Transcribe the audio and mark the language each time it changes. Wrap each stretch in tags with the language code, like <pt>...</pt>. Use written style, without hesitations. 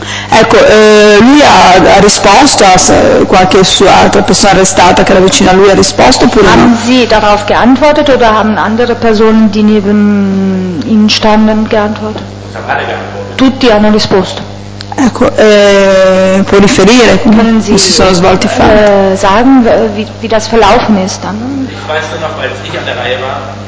<it>Ecco, lui ha risposto, qualche sua altra persona arrestata che era vicina a lui ha risposto oppure</it> <de>haben</de> <it>no?</it> <de>Haben Sie darauf geantwortet oder haben andere Personen, die neben Ihnen standen, geantwortet?</de> <it>Tutti hanno risposto. Ecco, può riferire come si sono svolti i fatti.</it> <de>Sagen, wie das verlaufen ist dann? Ich weiß nur noch, als ich an der Reihe war.</de>